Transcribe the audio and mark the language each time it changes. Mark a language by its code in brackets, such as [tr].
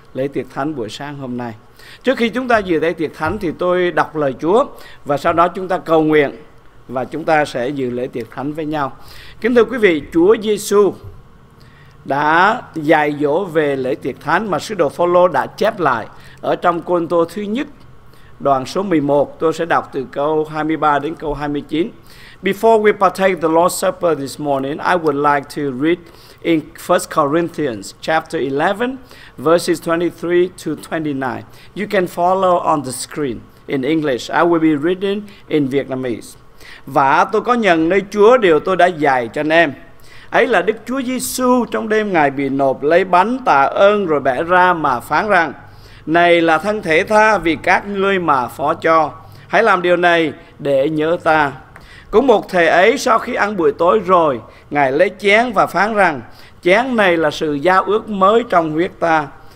[vi] lễ tiệc thánh buổi sáng hôm nay. Trước khi chúng ta dự lễ tiệc thánh thì tôi đọc lời Chúa và sau đó chúng ta cầu nguyện và chúng ta sẽ dự lễ tiệc thánh với nhau. Kính thưa quý vị, Chúa Giêsu đã dạy dỗ về lễ tiệc thánh mà sứ đồ Phaolô đã chép lại ở trong Côrintô thứ nhất đoạn số 11. Tôi sẽ đọc từ câu 23 đến câu 29. [en] Before we partake the Lord's Supper this morning, I would like to read in 1 Corinthians chapter 11, verses 23 to 29. You can follow on the screen in English. I will be reading in Vietnamese. [vi] Và tôi có nhận nơi Chúa điều tôi đã dạy cho anh em. Ấy là Đức Chúa Giêsu trong đêm Ngài bị nộp lấy bánh tạ ơn rồi bẻ ra mà phán rằng: Này là thân thể tha vì các ngươi mà phó cho. Hãy làm điều này để nhớ ta. Cũng một thời ấy, sau khi ăn buổi tối rồi, Ngài lấy chén và phán rằng: Chén này là sự giao ước mới trong huyết ta.